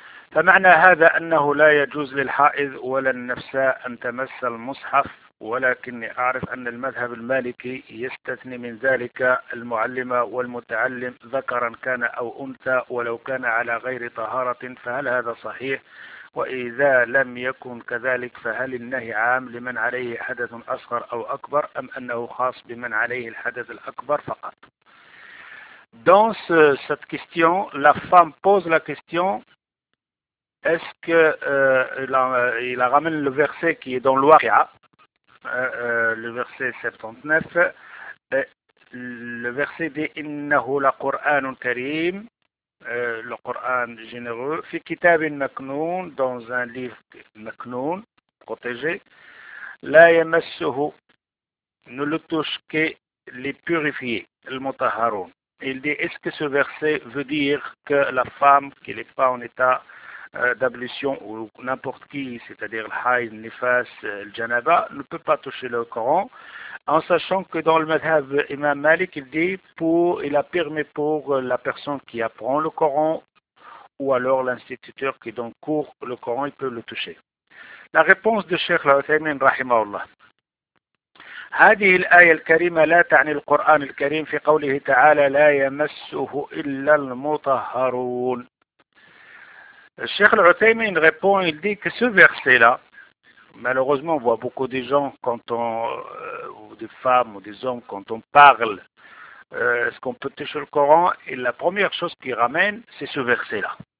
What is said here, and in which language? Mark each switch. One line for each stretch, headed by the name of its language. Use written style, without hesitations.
Arabic: فمعنى هذا أنه لا يجوز للحائض ولا النفساء أن تمس المصحف، ولكني أعرف أن المذهب المالكي يستثني من ذلك المعلمة والمتعلم ذكرا كان أو أنثى ولو كان على غير طهارة، فهل هذا صحيح؟ وإذا لم يكن كذلك فهل النهي عام لمن عليه حدث أصغر أو أكبر أم أنه خاص بمن عليه الحدث الأكبر فقط؟
French: Dans cette question, la femme pose la question. Est-ce que il a ramené le verset qui est dans le Waqi'a, le verset 79, le verset dit
Arabic: Innahu la Qur'an karim,
French: le Qur'an généreux,
Arabic: fi kitabin maknoun,
French: dans un livre maknoun, protégé,
Arabic: la yamassuhu,
French: ne le touche que les purifiés, le mutahharoun. Il dit, est-ce que ce verset veut dire que la femme qui n'est pas en état d'ablution ou n'importe qui, c'est-à-dire le haïd, le nifas, le janaba, ne peut pas toucher le Coran, en sachant que dans le madhab Imam Malik, il dit, il a permis pour la personne qui apprend le Coran, ou alors l'instituteur qui donne cours le Coran, il peut le toucher. La réponse de Cheikh Al-Uthaymin, rahimahullah.
Arabic: هذه الآية الكريمة لا تعني القرآن الكريم في قوله تعالى لا يمسه إلا المطهرون.
French: Cheikh Al-Uthaymin répond, il dit que ce verset-là, malheureusement on voit beaucoup de gens, ou des femmes ou des hommes, quand on parle, est-ce qu'on peut toucher le Coran, et la première chose qu'ils ramènent, c'est ce verset-là.